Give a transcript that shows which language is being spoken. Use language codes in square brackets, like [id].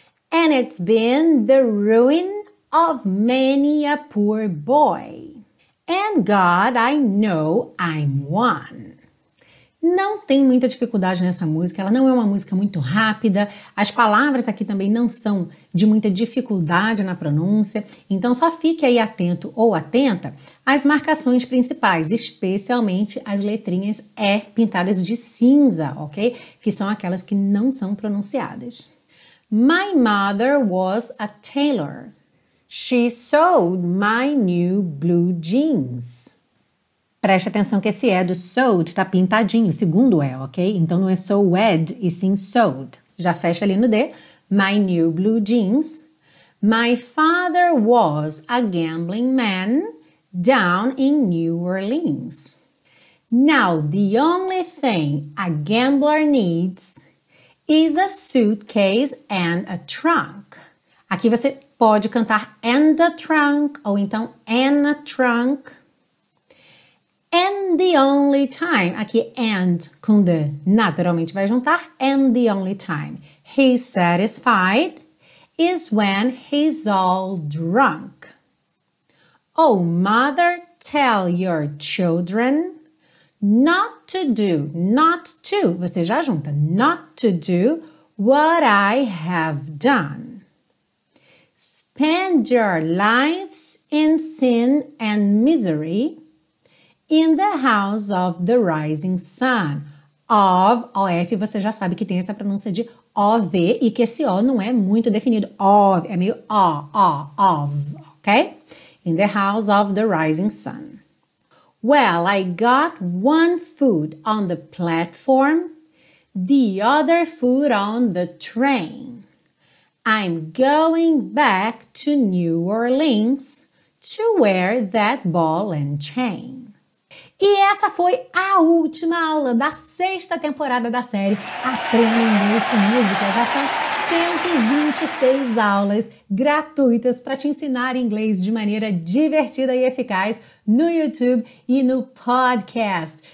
[en] And it's been the ruin of many a poor boy. And God, I know I'm one. [pt] Não tem muita dificuldade nessa música, ela não é uma música muito rápida, as palavras aqui também não são de muita dificuldade na pronúncia, então só fique aí atento ou atenta às marcações principais, especialmente as letrinhas E pintadas de cinza, ok? Que são aquelas que não são pronunciadas. [en] My mother was a tailor. She sewed my new blue jeans. [pt] Preste atenção que esse é do sewed, tá pintadinho, segundo é, ok? Então não é sewed, e sim sewed. Já fecha ali no D. [en] My new blue jeans. My father was a gambling man down in New Orleans. Now the only thing a gambler needs is a suitcase and a trunk. [pt] Aqui você pode cantar [en] and a trunk, [pt] ou então and a trunk. [en] And the only time, [pt] aqui and com the naturalmente vai juntar, [en] and the only time he's satisfied is when he's all drunk. Oh, mother, tell your children not to do, not to, [pt] você já junta, [en] not to do what I have done. Spend your lives in sin and misery in the house of the rising sun. [pt] Of, O-F, você já sabe que tem essa pronúncia de O-V e que esse O não é muito definido. Of, é meio O, O, of, ok? [en] In the house of the rising sun. Well, I got one foot on the platform, the other foot on the train. I'm going back to New Orleans to wear that ball and chain. [pt] E essa foi a última aula da sexta temporada da série Aprenda Inglês com Música. Já são 126 aulas gratuitas para te ensinar inglês de maneira divertida e eficaz no YouTube e no podcast.